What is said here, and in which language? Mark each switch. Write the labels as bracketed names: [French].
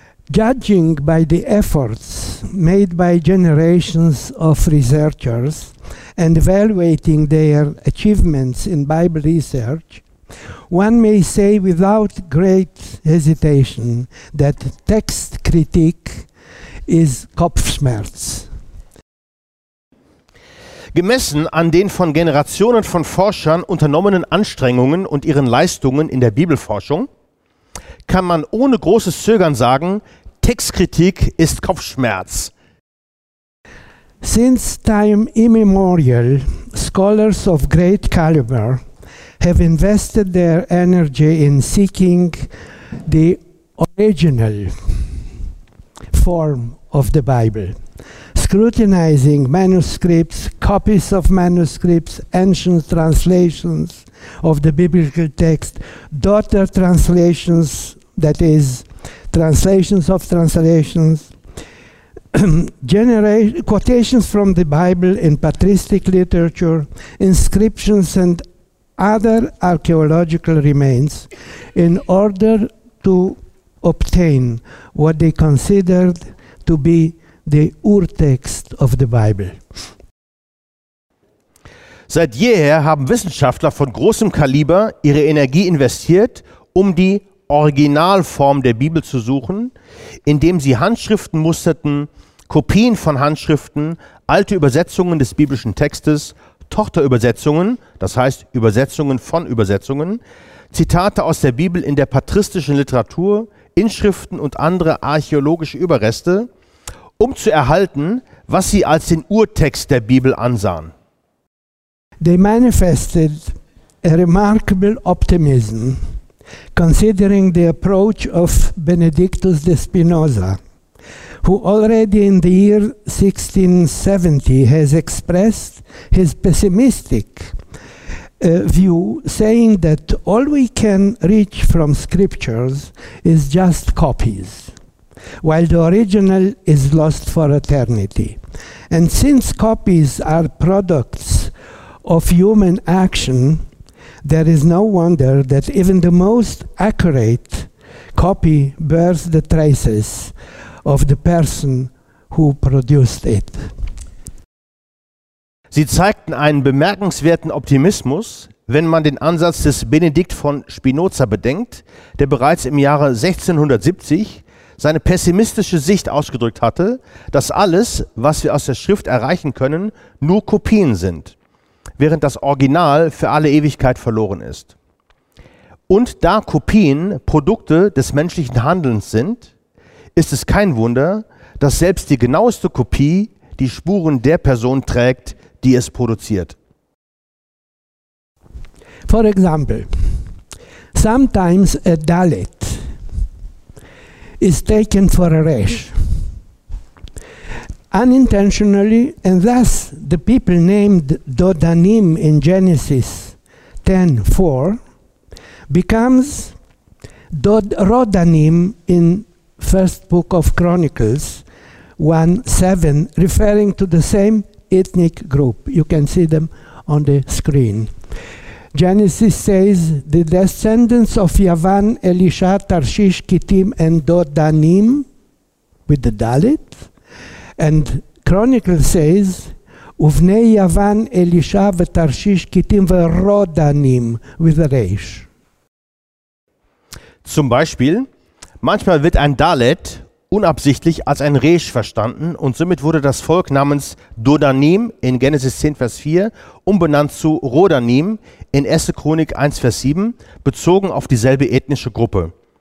[English] Judging by the efforts made by generations of researchers and evaluating their achievements in Bible research, one may say without great hesitation that text critique is Kopfschmerz. [German] Gemessen an den von Generationen von Forschern unternommenen Anstrengungen und ihren Leistungen in der Bibelforschung, kann man ohne großes Zögern sagen, Textkritik ist Kopfschmerz. [English] Since time immemorial, scholars of great caliber have invested their energy in seeking the original form of the Bible, scrutinizing manuscripts, copies of manuscripts, ancient translations of the biblical text, daughter translations, that is, translations of translations, quotations from the Bible in patristic literature, inscriptions and other archaeological remains, in order to obtain what they considered to be the Urtext of the Bible. [German] Seit jeher haben Wissenschaftler von großem Kaliber ihre Energie investiert, um die Originalform der Bibel zu suchen, indem sie Handschriften musterten, Kopien von Handschriften, alte Übersetzungen des biblischen Textes, Tochterübersetzungen, das heißt Übersetzungen von Übersetzungen, Zitate aus der Bibel in der patristischen Literatur, Inschriften und andere archäologische Überreste, um zu erhalten, was sie als den Urtext der Bibel ansahen. [English] They manifested a remarkable optimism, considering the approach of Benedictus de Spinoza, who already in the year 1670 has expressed his pessimistic view, saying that all we can reach from scriptures is just copies, while the original is lost for eternity. And since copies are products of human action, there is no wonder that even the most accurate copy bears the traces of the person who produced it. [German] Sie zeigten einen bemerkenswerten Optimismus, wenn man den Ansatz des Benedikt von Spinoza bedenkt, der bereits im Jahre 1670 seine pessimistische Sicht ausgedrückt hatte, dass alles, was wir aus der Schrift erreichen können, nur Kopien sind, während das Original für alle Ewigkeit verloren ist. Und da Kopien Produkte des menschlichen Handelns sind, ist es kein Wunder, dass selbst die genaueste Kopie die Spuren der Person trägt, die es produziert. [English] For example, sometimes a Dalit is taken for a Resh unintentionally, and thus the people named Dodanim in Genesis 10:4 becomes Rodanim in First Book of Chronicles 1:7, referring to the same ethnic group. You can see them on the screen. Genesis says the descendants of Yavan, Elisha, Tarshish, Kittim, and Dodanim, with the Dalit. And Chronicles says, [Hebrew] Uvnei [English] Yavan, Elisha, Tarshish, Kittim, Rodanim, with the Reish. [German] Zum Beispiel, manchmal wird ein Dalit unabsichtlich als ein Resch verstanden und somit wurde das Volk namens Dodanim in Genesis 10, Vers 4 umbenannt zu Rodanim in 1. Chronik 1, Vers 7 bezogen auf dieselbe ethnische Gruppe.